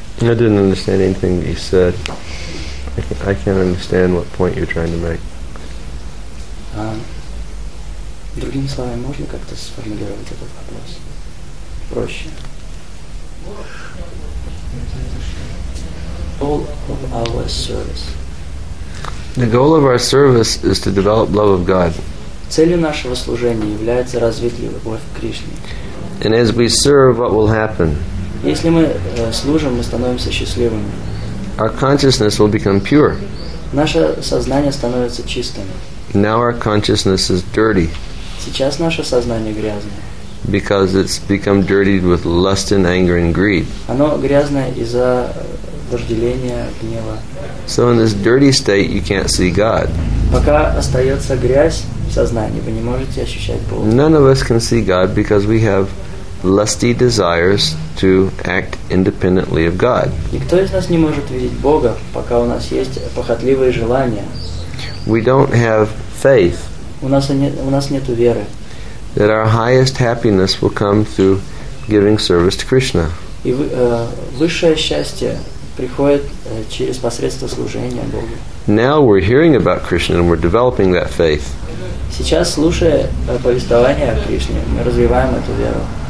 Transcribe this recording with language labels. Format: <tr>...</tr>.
<en>that. I didn't understand anything that you said. I can't understand what point you're trying to make.</en> <ru>Другими словами, можно как-то сформулировать этот вопрос? Проще.</ru> <en>All of our service. The goal of our service is to develop love of God.</en> <ru>Целью нашего служения является развить любовь к Кришне.</ru> <en>And as we serve, what will happen?</en> <ru>Если мы служим, мы становимся счастливыми.</ru> <en>Our consciousness will become pure.</en> <ru>Наше сознание становится чистым.</ru> <en>Now our consciousness is dirty.</en> <ru>Сейчас наше сознание грязное.</ru> <en>Because it's become dirtied with lust and anger and greed.</en> <ru>Оно грязное из-за вожделения, гнева.</ru> <en>So in this dirty state you can't see God.</en> <ru>Пока остается грязь в сознании, вы не можете ощущать Бога.</ru> <en>None of us can see God because we have lusty desires to act independently of God.</en> <ru>Никто из нас не может видеть Бога, пока у нас есть похотливые желания.</ru> <en>We don't have faith.</en> <ru>У нас нету веры.</ru> <en>That our highest happiness will come through giving service to Krishna.</en> <ru>И высшее счастье приходит через посредством служения Богу.</ru> <en>Now we're hearing about Krishna and we're developing that faith.</en> <ru>Сейчас слушая повествование о Кришне, мы развиваем эту веру.</ru>